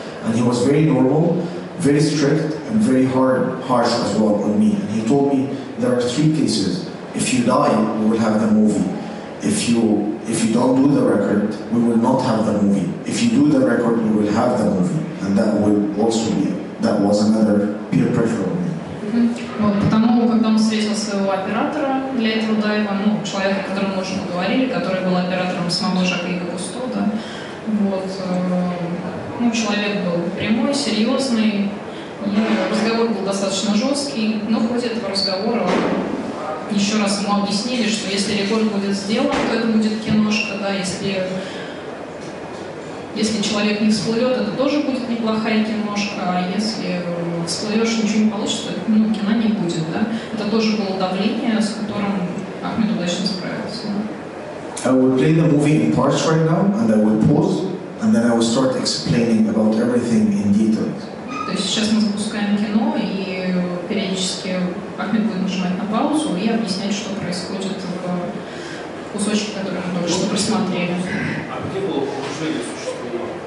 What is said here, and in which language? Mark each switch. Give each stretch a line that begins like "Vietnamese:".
English: And he was very normal, very strict, and very harsh as well on me. And he told me there are three cases. If you die, we will have the movie. If you don't do the record, we will not have the movie. If you do the record, we will have the movie. And that would also be, that was another peer pressure on me. Mm-hmm.
Russian: Вот, потому когда он встретил своего оператора для этого дайва, ну, человека, которому мы уже поговорили, который был оператором самого Жака Ига Кусто, да, вот, ну, человек был прямой, серьезный, и разговор был достаточно жесткий, но в ходе этого разговора еще раз ему объяснили, что если рекорд будет сделан, то это будет киношка, да, если человек не всплывет, это тоже будет неплохая киношка, а если всплывешь, ничего не получится, ну, кино не будет, да. Это тоже было давление, с которым Ахмед удачно справился.
English: I will play the movie in parts right now, and I will pause, and then I will start explaining about everything in detail.
Russian: То есть сейчас мы запускаем кино, и периодически Ахмед будет нажимать на паузу и объяснять, что происходит в кусочке, который мы только что просмотрели. А где было покушение существовало?